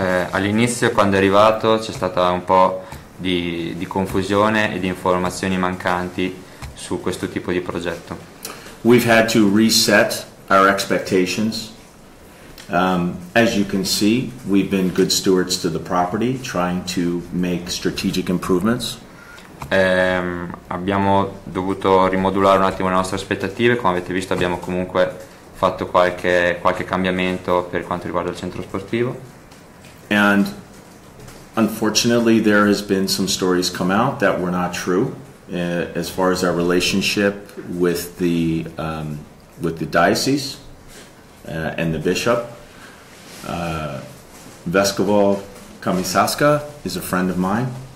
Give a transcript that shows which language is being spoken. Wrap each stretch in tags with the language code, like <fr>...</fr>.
<it>All'inizio, quando è arrivato, c'è stata un po' di confusione e di informazioni mancanti su questo tipo di progetto.</it> <en>We've had to reset our expectations. As you can see, we've been good stewards to the property, trying to make strategic improvements.</en> <it>Abbiamo dovuto rimodulare un attimo le nostre aspettative. Come avete visto, abbiamo comunque fatto qualche cambiamento per quanto riguarda il centro sportivo.</it> <en>And unfortunately, there has been some stories come out that were not true. As far as our relationship with the diocese and the bishop, Vescovo Kamisaska is a friend of mine.</en>